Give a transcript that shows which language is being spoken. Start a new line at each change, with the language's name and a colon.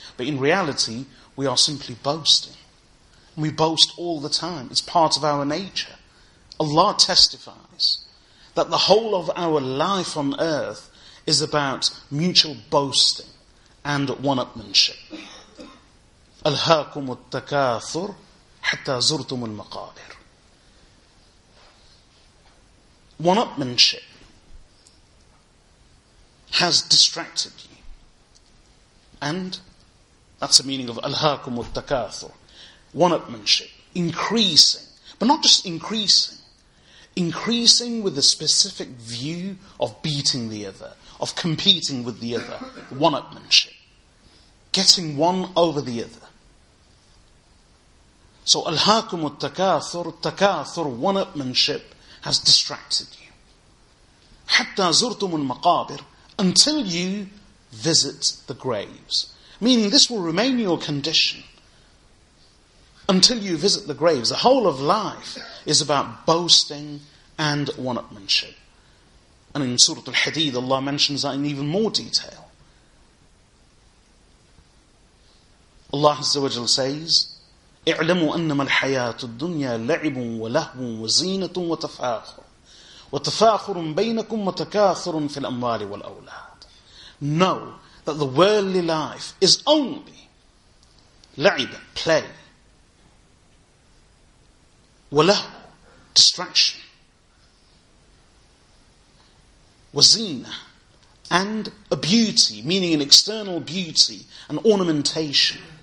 English: But in reality, we are simply boasting. We boast all the time. It's part of our nature. Allah testifies that the whole of our life on earth is about mutual boasting and one-upmanship.
Arabic: أَلْهَاكُمُ التَّكَاثُرُ حَتَّى زُرْتُمُ الْمَقَابِرُ.
English: One-upmanship has distracted you. And that's the meaning of أَلْهَاكُمُ التَّكَاثُرُ. One-upmanship, increasing, but not just increasing, increasing with a specific view of beating the other, of competing with the other, one-upmanship, getting one over the other. So, al-hakum al-takathur, takathur, one-upmanship has distracted you. Hatta zurtum al-maqabir, until you visit the graves, meaning this will remain your condition. Until you visit the graves. The whole of life is about boasting and one-upmanship. And in Surah Al-Hadid, Allah mentions that in even more detail.
Arabic: Allah Azza wa Jal says, اعلموا أنما الحياة الدنيا لعب ولهو وزينة وتفاخر وتفاخر بينكم وتكاثر في الأموال والأولاد.
English: Know that the worldly life is only لعب, play. Walah, distraction. Wazina, and a beauty, meaning an external beauty, an ornamentation.